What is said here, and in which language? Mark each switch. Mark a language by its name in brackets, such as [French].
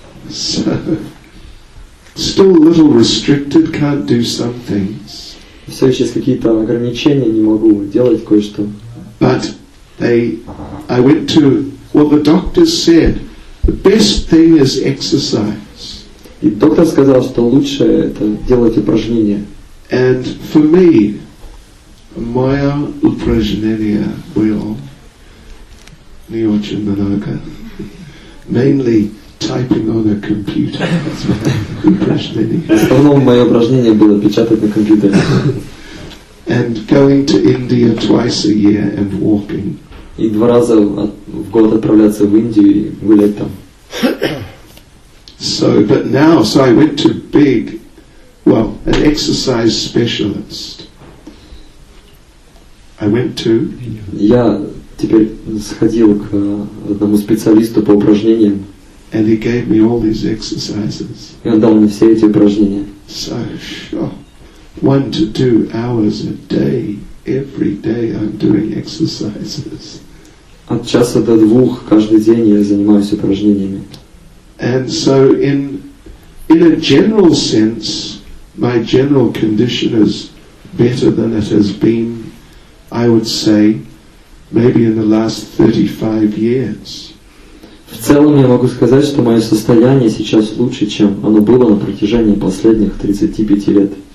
[English] So, still a little restricted, can't do some things. [Russian] Все еще есть какие-то ограничения, не могу делать кое-что. [English] But I went to, well, the doctor said, the best thing is exercise. [Russian] И доктор сказал, что лучше это делать упражнения. [English] And for me, [Russian] моё упражнение было не очень много. [English] Mainly typing on a computer. [Russian] Упражнение. В основном моё упражнение было печатать на компьютере. [English] And going to India twice a year and walking. [Russian] И 2 раза в год отправляться в Индию и гулять там. [English] So, but now, so I went to big, well, an exercise specialist. I went to. [Russian] Я теперь сходил к одному специалисту по упражнениям. [English] And he gave me all these exercises. [Russian] И он дал мне все эти упражнения. [English] So, sure, 1 to 2 hours a day, every day, I'm doing exercises. [Russian] От часа до двух каждый день я занимаюсь упражнениями. [English] And so in a general sense, my general condition is better than it has been, I would say, maybe in the last 35 years. [Russian] В целом я могу сказать, что мое состояние сейчас лучше, чем оно было на протяжении последних 35 лет.